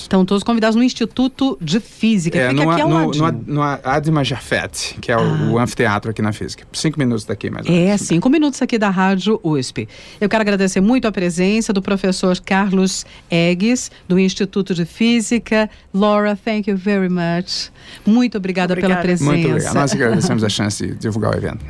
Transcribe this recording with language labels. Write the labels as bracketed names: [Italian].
[Portuguese] Estão todos convidados no Instituto de Física. Fica aqui ao lado. No Adma Jafet, que é o anfeteatro aqui na Física. 5 minutos daqui. Cinco minutos aqui da Rádio USP. Eu quero agradecer muito a presença do professor Carlos Eggs, do Instituto de Física. [English] Laura, thank you very much. [Portuguese] Muito obrigada pela presença. Muito obrigada. Nós agradecemos a chance de divulgar o evento.